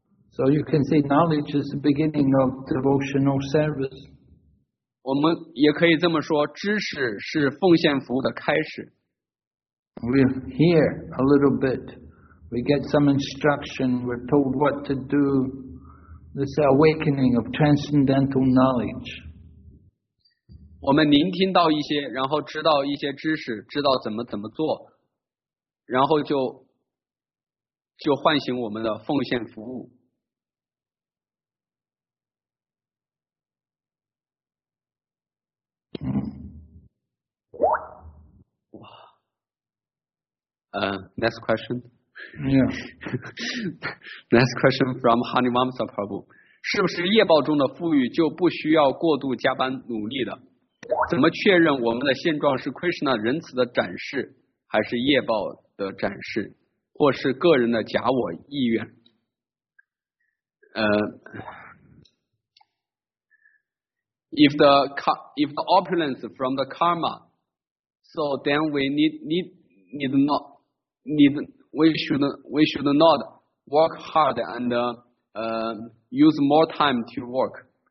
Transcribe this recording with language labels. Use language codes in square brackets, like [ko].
[en] So you can say knowledge is the beginning of devotional service. [zh] 我们也可以这么说, 知识是奉献服务的开始。 [en] We hear a little bit. We get some instruction. We're told what to do. This awakening of transcendental knowledge. [zh] 我们聆听到一些，然后知道一些知识，知道怎么做，然后就唤醒我们的奉献服务。 [en] 哇，next question. Yeah. Next question from Honey Mamsa Prabhu. [zh] 是不是业报中的富裕就不需要过度加班努力的？怎么确认我们的现状是 Krishna 仁慈的展示，还是业报的展示，或是个人的假我意愿？ [en] If the opulence from the karma, so then we should not work hard and use more time to work.